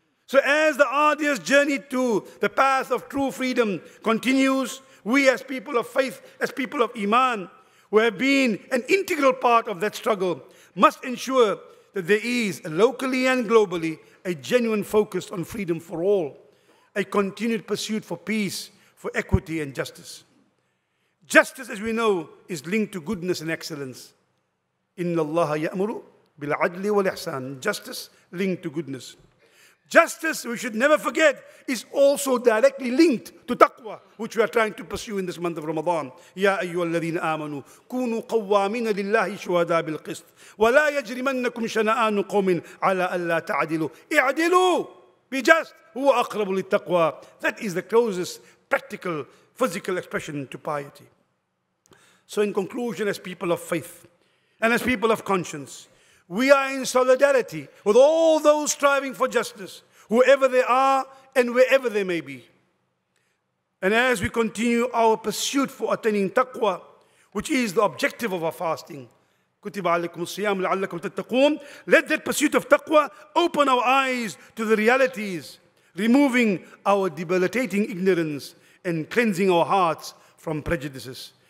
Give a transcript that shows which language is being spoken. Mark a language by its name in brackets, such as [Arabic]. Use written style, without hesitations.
[English] So as the arduous journey to the path of true freedom continues, we as people of faith, as people of Iman, who have been an integral part of that struggle, must ensure that there is, locally and globally, a genuine focus on freedom for all, a continued pursuit for peace, for equity and justice. Justice, as we know, is linked to goodness and excellence. [Arabic] إِنَّ اللَّهَ يَأْمُرُ بِالْعَدْلِ وَالْإِحْسَانِ [English] Justice linked to goodness. Justice, we should never forget, is also directly linked to taqwa, which we are trying to pursue in this month of Ramadan. [Arabic] يَا أَيُّوَا الَّذِينَ آمَنُوا كُونُوا قَوَّامِينَ لِلَّهِ شُهَدَاءَ بِالْقِسْطِ وَلَا يَجْرِمَنَّكُمْ شَنَآنُ قَوْمٍ عَلَىٰ أَلَّا تَعْدِلُوا اعْدِلُوا [English] Be just, [Arabic] هُوَ أَقْرَبُ لِلتَّقْوَى [English] That is the closest practical physical expression to piety. So in conclusion, as people of faith and as people of conscience, we are in solidarity with all those striving for justice, whoever they are and wherever they may be. And as we continue our pursuit for attaining taqwa, which is the objective of our fasting, [Arabic] كُتِبَ عَلَيْكُمُ الصِّيَامُ لَعَلَّكُمْ تَتَّقُونَ [English] Let that pursuit of taqwa open our eyes to the realities, removing our debilitating ignorance and cleansing our hearts from prejudices.